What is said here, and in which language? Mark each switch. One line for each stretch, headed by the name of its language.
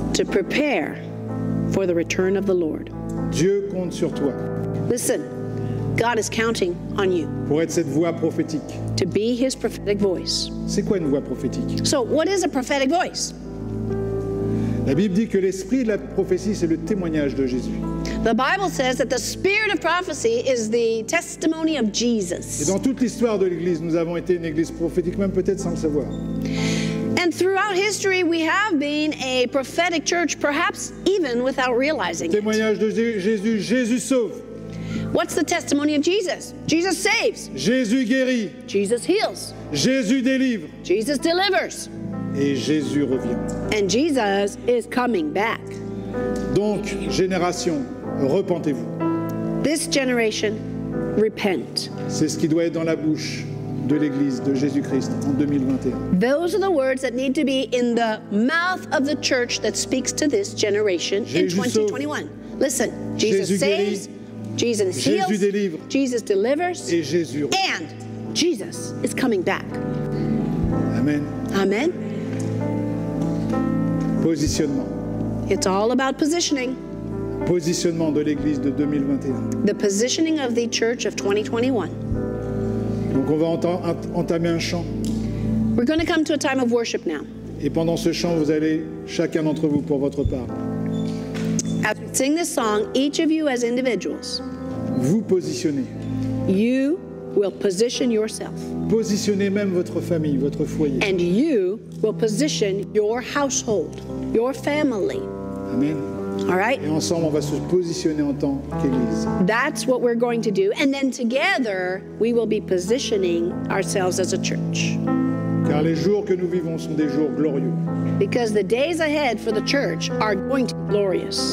English: To prepare for the return of the Lord.
French: Dieu compte sur toi.
English: Listen. God is counting on you.
French: Pour être cette voix prophétique.
English: To be His prophetic voice.
French: C'est quoi une voix prophétique?
English: So, what is a prophetic voice?
French: La Bible dit que l'esprit de la prophétie c'est le témoignage de Jésus.
English: The Bible says that the spirit of prophecy is the testimony of Jesus.
French: Et dans toute l'histoire de l'Église, nous avons été une Église prophétique, même peut-être sans le savoir.
English: And throughout history, we have been a prophetic church, perhaps even without realizing it.
French: Témoignage de Jésus, Jésus sauve.
English: What's the testimony of Jesus? Jesus saves.
French: Jésus guérit.
English: Jesus heals.
French: Jésus délivre.
English: Jesus delivers.
French: Et Jésus revient.
English: And Jesus is coming back.
French: Donc, génération, repentez-vous.
English: This generation, repent.
French: C'est ce qui doit être dans la bouche de l'Église de Jésus-Christ en 2021.
English: Those are the words that need to be in the mouth of the church that speaks to this generation in 2021. Listen, Jesus saves. Jesus heals.
French: Jésus délivre.
English: Jesus delivers.
French: Et Jésus.
English: And Jesus is coming back. Amen. Amen.
French: Positionnement.
English: It's all about positioning.
French: Positionnement de l'Église de 2021.
English: The positioning of the church of 2021.
French: Donc on va entamer un chant.
English: We're going to come to a time of worship now.
French: Et pendant ce chant, vous allez chacun d'entre vous pour votre part.
English: As we sing this song, each of you as individuals.
French: Vous positionnez.
English: You will position yourself.
French: Positionnez même votre famille, votre foyer.
English: And you will position your household, your family. Amen. All right.
French: Et ensemble, on va se positionner en tant qu'Église.
English: That's what we're going to do. And then together, we will be positioning ourselves as a church.
French: Car les jours que nous vivons sont des jours glorieux.
English: Because the days ahead for the church are going to be glorious.